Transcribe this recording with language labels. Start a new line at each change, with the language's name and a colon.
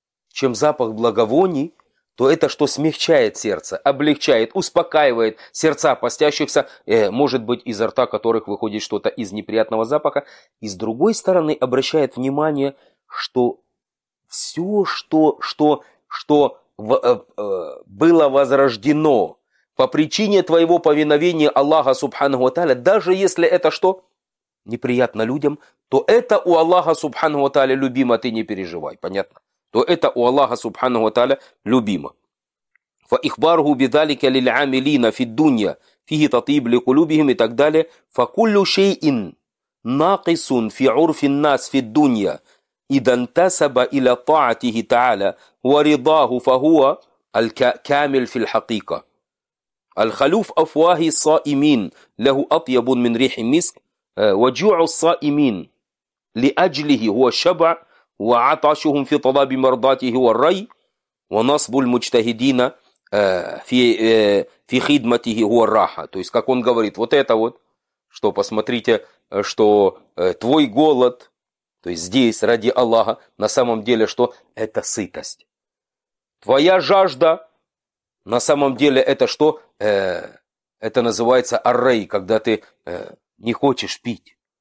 Russian: благовоний, то это что смягчает сердце, облегчает, успокаивает сердца постящихся, может быть, изо рта которых выходит что-то из неприятного запаха, и с другой стороны обращает внимание, что все, что было возрождено по причине твоего повиновения Аллаха Субхану Тааля, даже если это что? Неприятно людям, то это у Аллаха Субхану Тааля любимо, ты не переживай, понятно? То это у Аллаха Субхану Тааля любимо.
Arabic: فَإِخْبَارُهُ بِذَلِكَ لِلْعَامِلِينَ فِي الدُّنْيَا فِيهِ تَطِيب لِقُلُوبِهِمْ
Russian: и так далее.
Arabic: فَكُلُّ شَيْءٍ نَاقِسٌ فِي عُرْفِ النَّاسِ فِي الدُّنْيَا إذا انتسب إلى طاعته تعالى ورضاه فهو الكامل في الحقيقة الخلوف أفواه الصائمين له أطيب من ريح المسك وجوع الصائمين لأجله هو الشبع وعطشهم في طلب مرضاته هو الري ونصب المجتهدين في خدمته هو الراحة.
Russian: То есть как он говорит, вот это вот, что посмотрите, что твой голод, то есть здесь, ради Аллаха, на самом деле что? Это сытость. Твоя жажда, на самом деле это что? Это называется аррей, когда ты не хочешь пить.